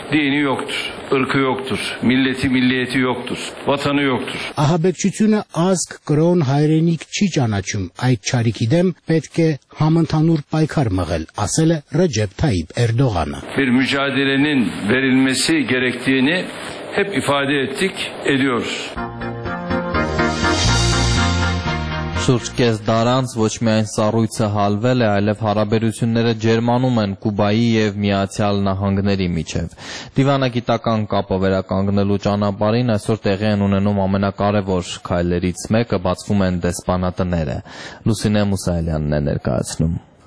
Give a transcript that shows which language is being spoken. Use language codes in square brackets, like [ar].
[tr] Dini yoktur, ırkı yoktur, milleti milliyeti yoktur, vatanı yoktur. [hy] Ահաբեկչությունը ազգ, կրոն, հայրենիք չի ճանաչում։ Այդ չարիքի դեմ պետք է համընդհանուր պայքար մղել, ասել է Ռեջեփ Թայիփ Էրդողանը։ [tr] Bir mücadelenin verilmesi gerektiğini hep ifade ettik, ediyoruz. [hy] Սուրց կես դարանց ոչ միայն սառույցը հալվել է, այլև հարաբերությունները ջերմանում են Կուբայի եւ Միացյալ Նահանգների միջև։ Դիվանագիտական կապը վերականգնելու ճանապարհին այսօր տեղի են ունենում ամենակարևոր քայլերից մեկը, բացվում են դեսպանատները։ Լուսինե Մուսայելյանն է ներկայացնում։